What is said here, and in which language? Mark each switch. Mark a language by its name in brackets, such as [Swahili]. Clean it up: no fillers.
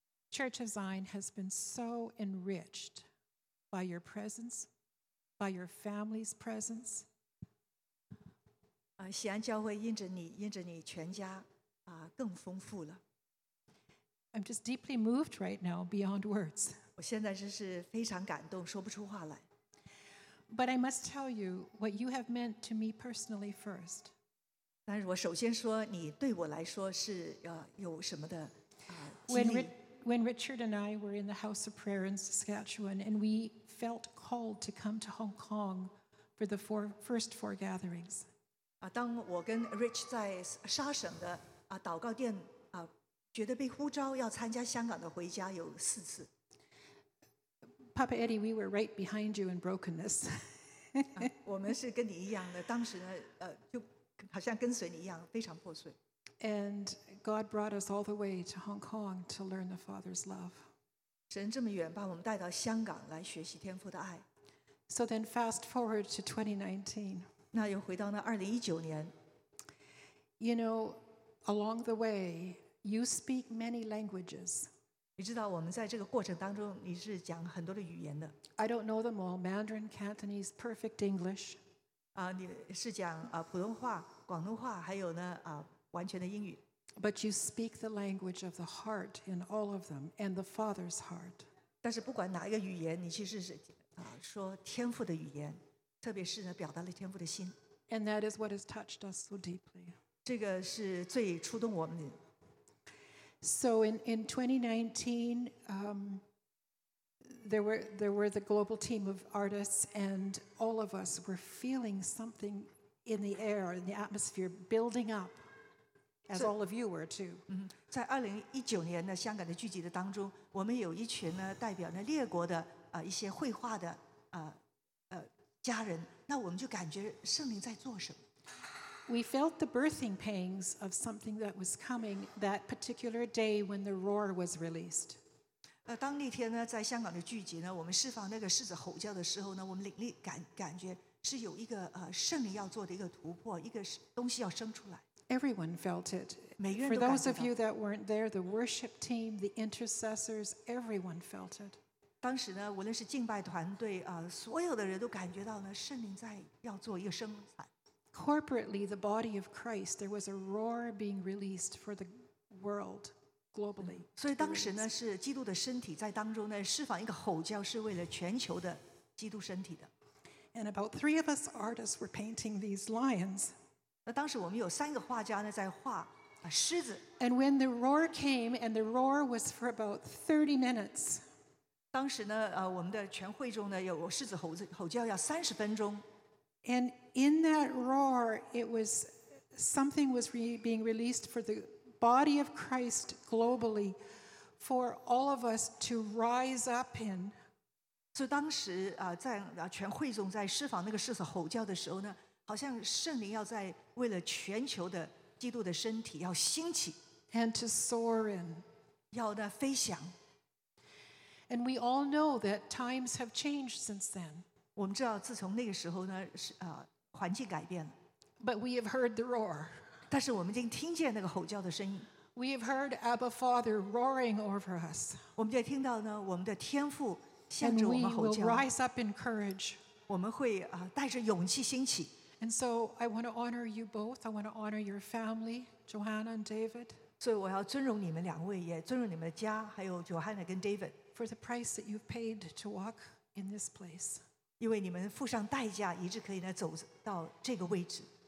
[English] Church of Zion has been so enriched by your presence, by your family's presence. [Chinese] 西安教会因着你，因着你全家，更丰富了。 [English] I'm just deeply moved right now, beyond words. [Chinese] 我现在真是非常感动，说不出话来。 [English] But I must tell you what you have meant to me personally first. [Chinese] 但是我首先说，你对我来说是有什么的经历？ [English] When Richard and I were in the House of Prayer in Saskatchewan, and we felt called to come to Hong Kong for the first four gatherings. [Chinese] 当我跟 Rich 在沙省的祷告殿，觉得被呼召要参加香港的回家有四次。 [English] Papa Eddie, we were right behind you in brokenness. [Chinese] 我们是跟你一样的，当时呢，就。好像跟随你一样，非常破碎。 [English] And God brought us all the way to Hong Kong to learn the Father's love. [Chinese] 神这么远，把我们带到香港来学习天父的爱。 [English] So then, fast forward to 2019. [Chinese] 那又回到那2019年。 [English] You know, along the way, you speak many languages. [Chinese] 你知道，我们在这个过程当中，你是讲很多的语言的。 [English] I don't know them all: Mandarin, Cantonese, perfect English. [Chinese] 你是讲普通话。广东话，还有呢，完全的英语。 [English] But you speak the language of the heart in all of them, and the Father's heart. [Chinese] 但是不管哪一个语言，你其实是说天父的语言，特别是呢，表达了天父的心。 [English] And that is what has touched us so deeply. [Chinese] 这个是最触动我们的。 [English] So in 2019, there were the global team of artists, and all of us were feeling something in the air, in the atmosphere, building up, as all of you were too. [Chinese] 在2019年呢，香港的聚集的当中，我们有一群呢代表呢列国的一些绘画的家人，那我们就感觉圣灵在做什么。 [English] We felt the birthing pangs of something that was coming that particular day when the roar was released. [Chinese] 当那天呢，在香港的聚集呢，我们释放那个狮子吼叫的时候呢，我们灵力感觉是有一个圣灵要做的一个突破，一个东西要生出来。 [English] Everyone felt it. For those of you that weren't there, the worship team, the intercessors, everyone felt it. [Chinese] 当时呢，无论是敬拜团队所有的人都感觉到呢，圣灵在要做一个生产。 [English] Corporately, the body of Christ, there was a roar being released for the world globally. [Chinese] 所以当时呢，是基督的身体在当中呢释放一个吼叫，是为了全球的基督身体的。 [English] And about three of us artists were painting these lions. [Chinese] 那当时我们有三个画家呢在画狮子。 [English] And when the roar came, and the roar was for about 30 minutes. [Chinese] 当时呢，我们的全会中呢有狮子吼叫要三十分钟。 [English] And in that roar, it was something was being released for the body of Christ globally, for all of us to rise up in. [Chinese] So, 当时在全会众在释放那个狮子吼叫的时候呢，好像圣灵要在为了全球的基督的身体要兴起 [English] ，and to soar in, [Chinese] 要的飞翔。 [English] And we all know that times have changed since then. [Chinese] 我们知道，自从那个时候呢，是环境改变了。 [English] But we have heard the roar. [Chinese] 但是我们已经听见那个吼叫的声音。 [English] We have heard Abba Father roaring over us. [Chinese] 我们就听到呢，我们的天父向着我们吼叫。 [English] And we will rise up in courage. [Chinese] 我们会带着勇气兴起。 [English] And so I want to honor you both. I want to honor your family, Johanna and David. [Chinese] 所以我要尊荣你们两位，也尊荣你们的家，还有 Johanna 跟 David. [English] For the price that you've paid to walk in this place. [Chinese] 因为你们付上代价，一直可以呢走到这个位置。